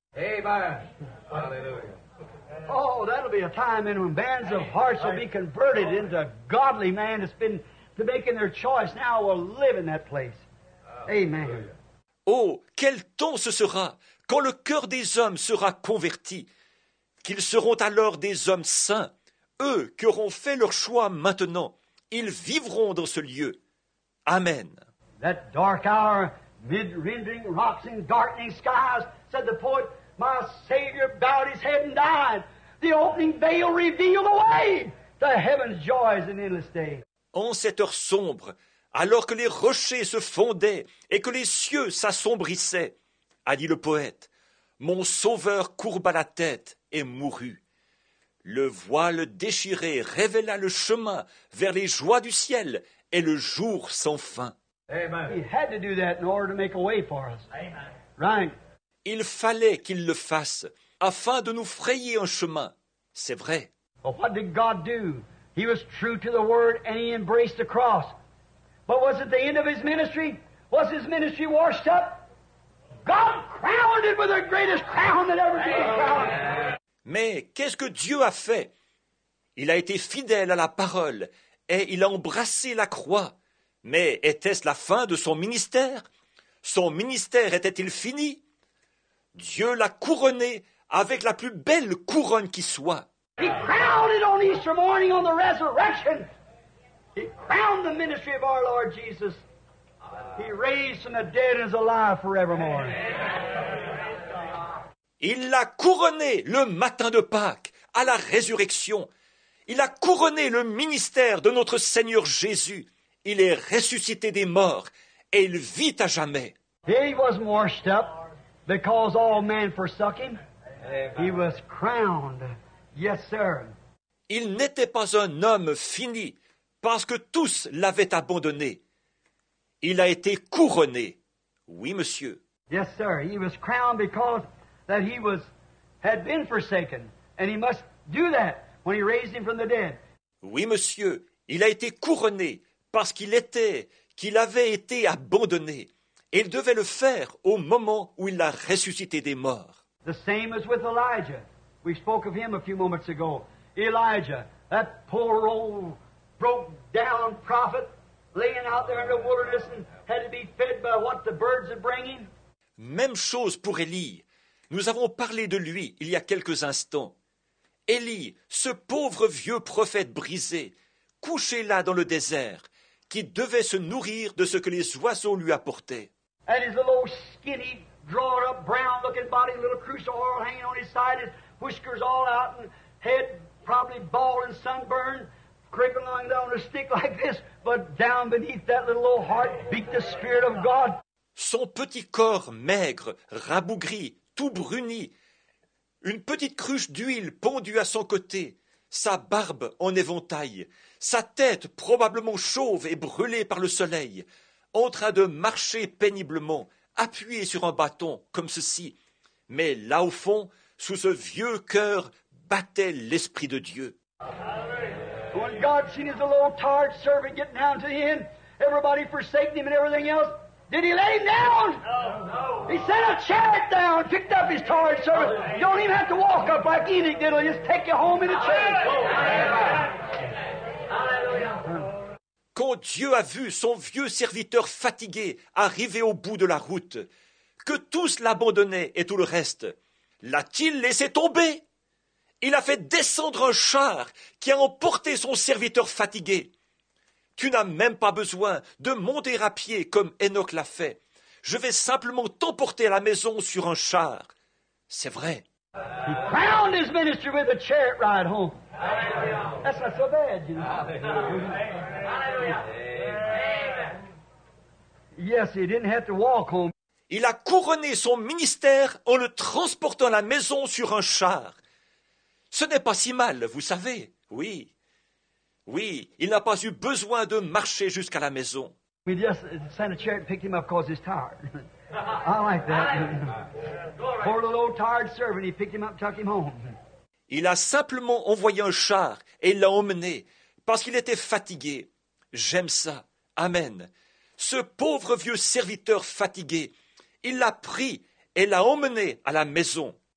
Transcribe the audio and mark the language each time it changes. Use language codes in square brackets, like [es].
[en] Amen. Hallelujah. Oh, that'll be a time when bands of hearts will be converted into godly men that's been to making their choice now will live in that place. Amen. [fr] Oh, quel temps ce sera quand le cœur des hommes sera converti, qu'ils seront alors des hommes saints. Eux qui auront fait leur choix maintenant, ils vivront dans ce lieu. [en] Amen. That dark hour, mid rending rocks and darkening skies, said the poet, my Savior bowed his head and died. The opening veil revealed the way to heaven's joys and endless day. [fr] En cette heure sombre, alors que les rochers se fondaient et que les cieux s'assombrissaient, a dit le poète, mon Sauveur courba la tête et mourut. Le voile déchiré révéla le chemin vers les joies du ciel et le jour sans fin. [en] Amen. He had to do that in order to make a way for us. Amen. Right. [fr] Il fallait qu'il le fasse afin de nous frayer un chemin. C'est vrai. [en] But what did God do? He was true to the word and he embraced the cross. But was it the end of his ministry? Was his ministry washed up? God crowned it with the greatest crown that ever been crowned. [fr] Mais qu'est-ce que Dieu a fait? Il a été fidèle à la parole et il a embrassé la croix. Mais était-ce la fin de son ministère? Son ministère était-il fini? Dieu l'a couronné avec la plus belle couronne qui soit. [en] He crowned it on Easter morning on the resurrection. He crowned the ministry of our Lord Jesus. He raised from the dead and is alive forevermore. [fr] Il l'a couronné le matin de Pâques, à la résurrection. Il a couronné le ministère de notre Seigneur Jésus. Il est ressuscité des morts et il vit à jamais. [en] He wasn't washed up because all men forsook him. He was crowned. Yes, sir. [fr] Il n'était pas un homme fini parce que tous l'avaient abandonné. Il a été couronné. Oui, monsieur. [en] Yes, sir. He was crowned because that he was had been forsaken, and he must do that when he raised him from the dead. [fr] Oui, monsieur, il a été couronné parce qu'il avait été abandonné, et il devait le faire au moment où il l'a ressuscité des morts. [en] The same as with Elijah. We spoke of him a few moments ago. Elijah, that poor old broke-down prophet, laying out there in the wilderness and had to be fed by what the birds are bringing. [fr] Même chose pour Élie. Nous avons parlé de lui il y a quelques instants. Élie, ce pauvre vieux prophète brisé, couché là dans le désert, qui devait se nourrir de ce que les oiseaux lui apportaient. [en] And his little skinny, drawn-up, brown-looking body, little crucial oil hanging on his side, his whiskers all out, and head probably bald and sunburned, creeping along down a stick like this, but down beneath that little old heart beat the Spirit of God. [fr] Son petit corps maigre, rabougri, tout bruni, une petite cruche d'huile pendue à son côté, sa barbe en éventail, sa tête probablement chauve et brûlée par le soleil, en train de marcher péniblement, appuyé sur un bâton, comme ceci. Mais là au fond, sous ce vieux cœur, battait l'Esprit de Dieu. [en] When God seen his little tired servant getting down to the end, everybody forsaking him and everything else, did he lay him down? No. He sent a chariot down, picked up his torch, sir. You don't even have to walk up like Enoch did. He'll just take you home in a chariot. Hallelujah. [fr] Quand Dieu a vu son vieux serviteur fatigué arriver au bout de la route, que tous l'abandonnaient et tout le reste, l'a-t-il laissé tomber? Il a fait descendre un char qui a emporté son serviteur fatigué. Tu n'as même pas besoin de monter à pied comme Hénoc l'a fait. Je vais simplement t'emporter à la maison sur un char. C'est vrai. [en] He crowned his ministry with a chariot ride home. Hallelujah. That's not so bad, you know. Hallelujah. Yes, he didn't have to walk home. [fr] Il a couronné son ministère en le transportant à la maison sur un char. Ce n'est pas si mal, vous savez, oui. Oui, il n'a pas eu besoin de marcher jusqu'à la maison. [en] We just sent a chariot to pick him up because he's tired. I like that. Poor little old tired servant, he picked him up and took him home. [fr] Il a simplement envoyé un char et l'a emmené parce qu'il était fatigué. J'aime ça. Amen. Ce pauvre vieux serviteur fatigué, il l'a pris et l'a emmené à la maison.